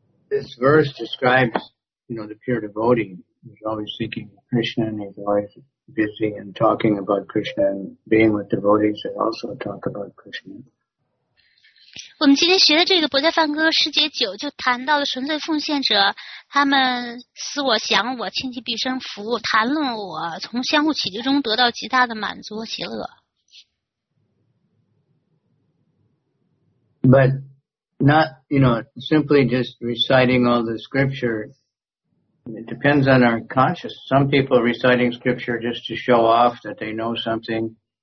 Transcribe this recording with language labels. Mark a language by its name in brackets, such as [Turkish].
[English] This verse describes, you know, the pure devotee who's always thinking of Krishna and he's always busy and talking about Krishna and being with devotees that also talk about Krishna. [Chinese] 我们今天学的这个《博伽梵歌》世界九就谈到了纯粹奉献者，他们思我想我，倾其毕生服务，谈论我，从相互启迪中得到极大的满足和喜乐。 [English] But not, you know, simply just reciting all the scripture. It depends on our conscience. Some people are reciting scripture just to show off that they know something.